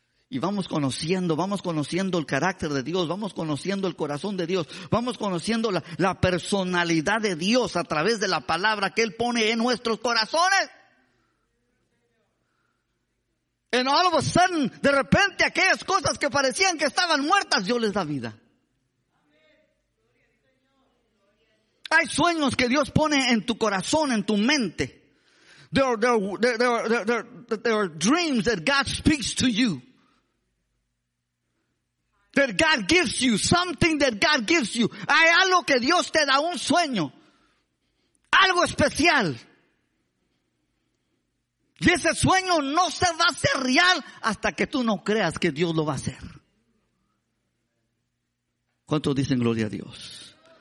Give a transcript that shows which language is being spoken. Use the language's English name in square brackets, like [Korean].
[Spanish] Y vamos conociendo el carácter de Dios, vamos conociendo el corazón de Dios, vamos conociendo la personalidad de Dios a través de la palabra que Él pone en nuestros corazones. [English] And all of a sudden, [Spanish] de repente, aquellas cosas que parecían que estaban muertas, Dios les da vida. Hay sueños que Dios pone en tu corazón, en tu mente. [English] There are dreams that God speaks to you. That God gives you, something that God gives you. [Spanish] Hay algo que Dios te da, un sueño. Algo especial. Y ese sueño no se va a hacer real hasta que tú no creas que Dios lo va a hacer. ¿Cuántos dicen gloria a Dios?